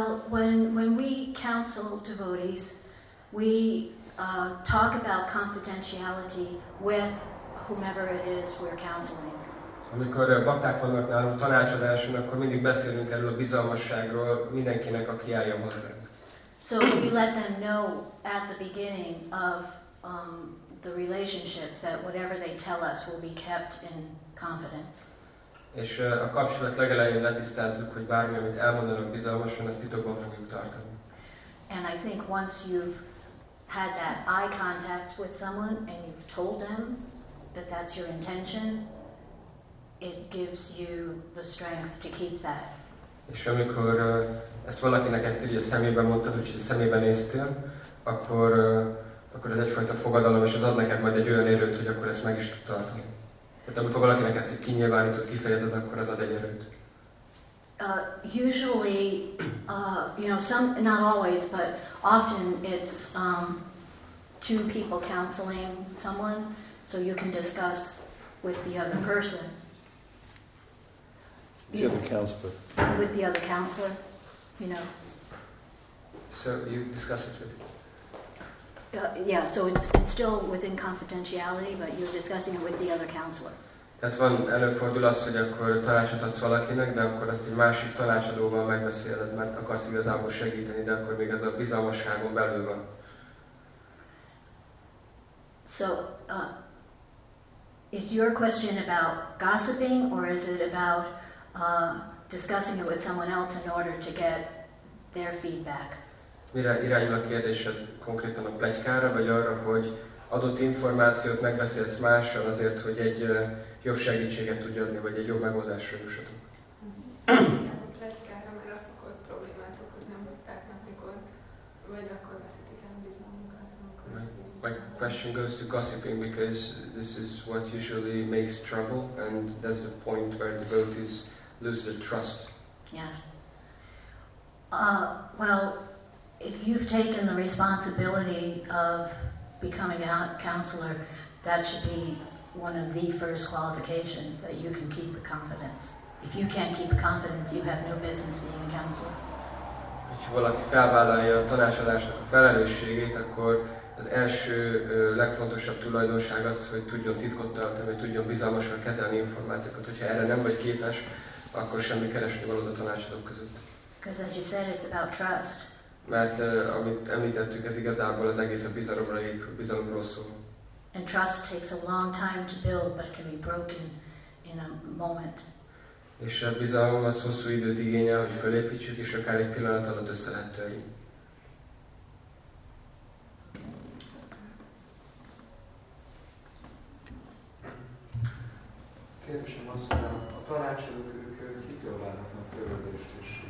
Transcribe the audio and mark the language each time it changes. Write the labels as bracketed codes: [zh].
[en] Well, when we counsel devotees, we talk about confidentiality with whomever it is we're counseling. [hu] Amikor bakták vannak nálunk tanácsadáson, akkor mindig beszélünk erről a bizalmasságról mindenkinek, aki eljön hozzánk. [en] So we let them know at the beginning of the relationship that whatever they tell us will be kept in confidence. [hu] És a kapcsolat legelején letisztázzuk, hogy bármi, amit elmondanak bizalmasan, azt titokban fogjuk tartani. [en] And I think once you've had that eye contact with someone and you've told them that that's your intention, it gives you the strength to keep that. [hu] És amikor ezt valakinek egyszer a szemében mondtad, úgyhogy a szemében néztél, akkor akkor ez egyfajta fogadalom, és az ad neked majd egy olyan erőt, hogy akkor ezt meg is tud tartani. Tehát amikor valakinek ezt így kinyilvánítod, kifejezed, akkor ez ad egy erőt. [en] Usually, you know, some, not always, but often it's two people counseling someone, so you can discuss with the other person. The other counselor. With the other counselor, you know. So you discuss it with... Yeah, so it's still within confidentiality, but you're discussing it with the other counselor. [hu] Tehát van, előfordul az, hogy akkor tanácsot adsz valakinek, de akkor azt egy másik tanácsadóval megbeszéled, mert akarsz igazából segíteni, de akkor még ez a bizalmasságon belül van. [en] So, is your question about gossiping, or is it about discussing it with someone else in order to get their feedback? [hu] Mire irányul a kérdésed konkrétan a pletykára, vagy arra, hogy adott információt megbeszélsz mással azért, hogy egy jobb segítséget tudj adni, vagy egy jobb megoldásra jussatok? A pletykára, mert azt okozott problémát okozni, nem tudták meg, mikor, vagy akkor veszítik el a bizalmunkat, amikor... [en] My question goes to gossiping, because this is what usually makes trouble, and that's the point where devotees lose their trust. Yes. Well, if you've taken the responsibility of becoming a counselor, that should be one of the first qualifications, that you can keep a confidence. If you can't keep a confidence, you have no business being a counselor. [hu] Hogyha valaki felvállalja a tanácsadásnak a felelősségét, akkor az első legfontosabb tulajdonság az, hogy tudjon titkot tartani, hogy tudjon bizalmasan kezelni információkat. Hogyha erre nem vagy képes, akkor semmi keresni valót a tanácsadók között. [en] Because as you said, it's about trust. [hu] Mert amit említettük, ez igazából az egész a bizalomról szól. [en] And trust takes a long time to build, but can be broken in a moment. [hu] És a bizalom az hosszú időt igényel, hogy felépítsük, és akár egy pillanat alatt össze lehet törni. Kérdésem azt, hogy a tanácsadók, ők kitől várhatnak törődést és